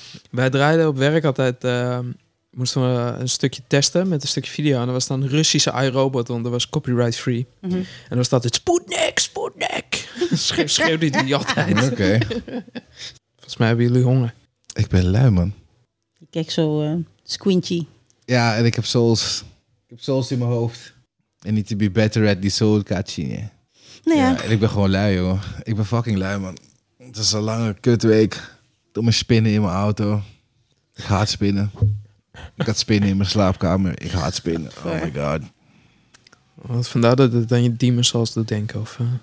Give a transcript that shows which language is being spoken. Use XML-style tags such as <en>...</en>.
<nl>Wij draaiden op werk altijd... moesten we een stukje testen met een stukje video. En dat was dan Russische iRobot, want dat was copyright free. Mm-hmm. En dan staat het Sputnik, Sputnik. Schreeuwde die altijd. Oké. Okay. Volgens mij hebben jullie honger. Ik ben lui, man. Ik kijk zo squinty. Ja, en ik heb souls. Ik heb souls in mijn hoofd.</nl> <en>I need to be better at the soul catching. Yeah.</en> <nl>Nou ja. En ik ben gewoon lui, joh. Ik ben fucking lui, man. Het is een lange kutweek. Doe mijn spinnen in mijn auto. Ik haat spinnen. Ik had spinnen in mijn slaapkamer. Ik haat spinnen.</nl> <en>Oh my god.</en> <nl>Wat vandaar dat het aan je Demon Souls doet denken? Of?</nl>